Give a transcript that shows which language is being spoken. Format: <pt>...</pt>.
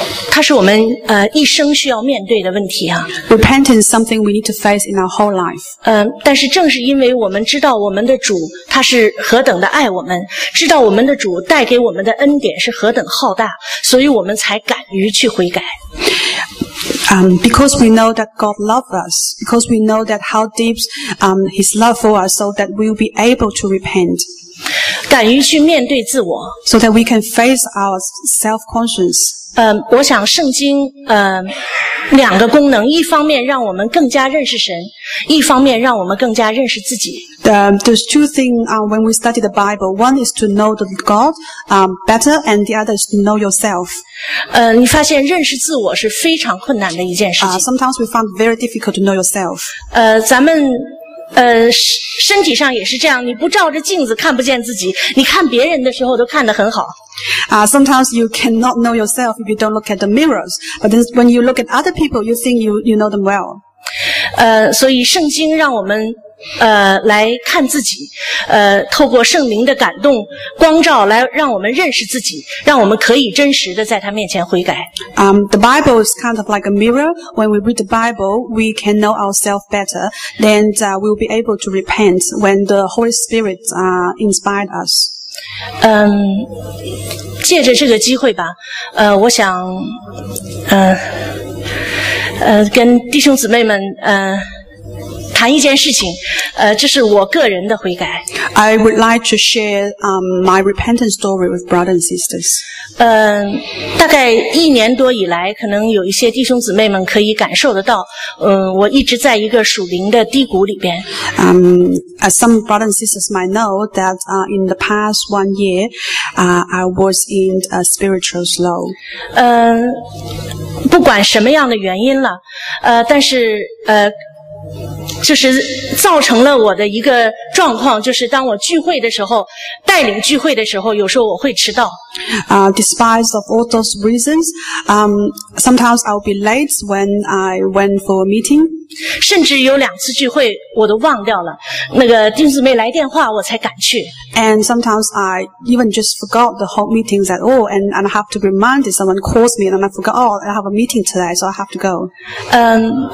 <zh>它是我们一生需要面对的问题啊。</zh> <en>Repentance is something we need to face in our whole life.</en> <zh>但是正是因为我们知道我们的主他是何等的爱我们，知道我们的主带给我们的恩典是何等浩大，所以我们才敢于去悔改。</zh> <en>Because we know that God loves us, because we know that how deep, His love for us, so that we'll be able to repent.</en> <zh>敢于去面对自我</zh> <en>so that we can face our self-conscience.</en> <zh>我想圣经两个功能，一方面让我们更加认识神，一方面让我们更加认识自己。</zh> <en>There's two things when we study the Bible. One is to know the God better, and the other is to know yourself.</en> <zh>你发现认识自我是非常困难的一件事情。</zh> <en>Sometimes we find very difficult to know yourself.</en> <zh>咱们身体上也是这样，你不照着镜子看不见自己，你看别人的时候都看得很好。</zh> <en>Sometimes you cannot know yourself if you don't look at the mirrors, but when you look at other people, you think you know them well.</en> <zh>所以圣经让我们来看自己，透过圣灵的感动光照来让我们认识自己，让我们可以真实的在他面前悔改。</zh> <en>The Bible is kind of like a mirror. When we read the Bible, we can know ourselves better, then we'll be able to repent when the Holy Spirit inspired us.</en> <zh>借着这个机会吧，我想，跟弟兄姊妹们，谈一件事情，这是我个人的悔改。</zh> <en>I would like to share my repentance story with brothers and sisters.</en> <zh>大概一年多以来，可能有一些弟兄姊妹们可以感受得到，我一直在一个属灵的低谷里边。</zh> <en>As some brothers and sisters might know that in the past one year, I was in a spiritual slow.</en> <zh>不管什么样的原因了，但是就是造成了我的一个状况，就是当我聚会的时候，带领聚会的时候，有时候我会迟到。</zh> <en>Despite of all those reasons, sometimes I'll be late when I went for a meeting.</en> <zh>甚至有两次聚会我都忘掉了，那个弟兄姊妹来电话我才敢去。</zh> <en>And sometimes I even just forgot the whole meetings at all, and I have to be reminded someone calls me, and I forgot, oh, I have a meeting today, so I have to go.</en>